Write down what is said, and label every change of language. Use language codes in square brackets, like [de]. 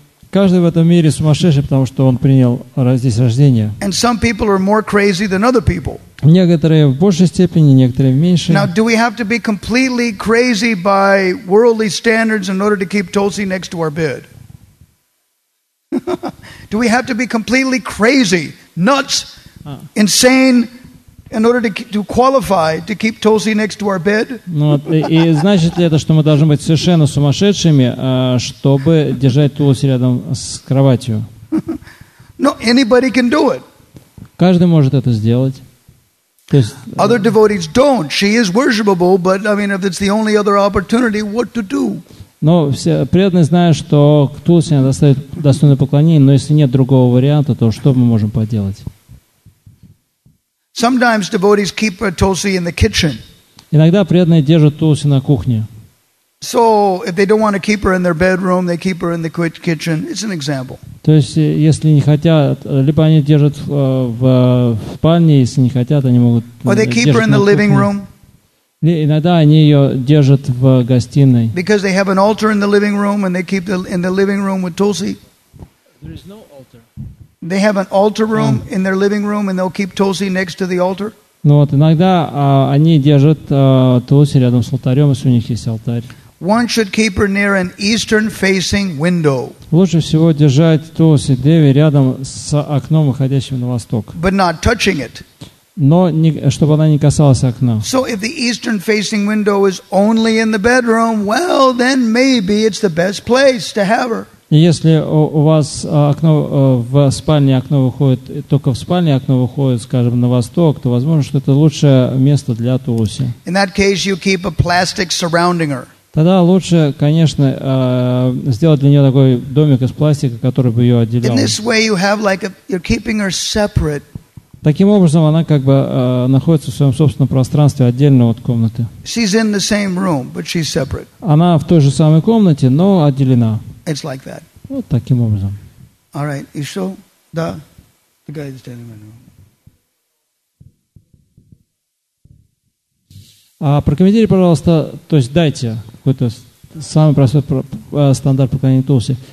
[ru] Каждый в этом мире сумасшедший, потому что он принял здесь рождение. [en] And some people are more crazy than other people. [ru] Некоторые в большей степени, некоторые в меньшей. [en] Now, do we have to be completely crazy by worldly standards in order to keep Tulsi next to our bed? Do we have to be completely crazy, nuts, insane, in order to qualify to keep Tulsi next to our bed? [ru] Ну, и значит ли это, что мы должны быть совершенно сумасшедшими, чтобы держать Тулси рядом с кроватью? [en] No, anybody can do it. [ru] Каждый может это сделать. [en] Other devotees don't. She is worshipable, but I mean, if it's the only other opportunity, what to do? [ru] Но все преданные знают, что к Тулси надо ставить достойное поклонение. Но если нет другого варианта, то что мы можем поделать? [en] Sometimes devotees keep Tulsi in the kitchen. [ru] Иногда преданные держат Тулси на кухне. [en] So if they don't want to keep her in their bedroom, they keep her in the kitchen. It's an example. [ru] То есть, если не хотят, либо они держат в спальне, если не хотят, они могут держать на кухне. Иногда они ее держат в гостиной. [en] Because they have an altar in the living room and they keep in the living room with Tulsi. There is no altar. They have an altar room in their living room and they'll keep Tulsi next to the altar. [ru] Ну вот, иногда они держат Тулси рядом с алтарем, если у них есть алтарь. [en] One should keep her near an eastern-facing window. [ru] Лучше всего держать Тулси Деви рядом с окном, выходящим на восток. [en] But not touching it. [ru] Но не, чтобы она не касалась окна. [en] So if the eastern-facing window is only in the bedroom, well, then maybe it's the best place to have her. [ru] Если у вас окно в спальне, окно выходит только в спальне, окно выходит, скажем, на восток, то возможно, что это лучшее место для Тулси. [en] In that case, you keep a plastic surrounding her. [ru] Тогда лучше, конечно, сделать для нее такой домик из пластика, который бы ее отделял. [en] In this way you have like a, you're keeping her separate. [ru] Таким образом, она как бы находится в своем собственном пространстве, отдельно от комнаты. [en] She's in the same room, but she's separate. [ru] Она в той же самой комнате, но отделена. [en] It's like that. [ru] Вот таким образом. [en] All right, you show? Да. The guy is standing in the room. [ru] Прокомментируйте, пожалуйста, то есть дайте какой-то самый простой стандарт поклонения Тулси.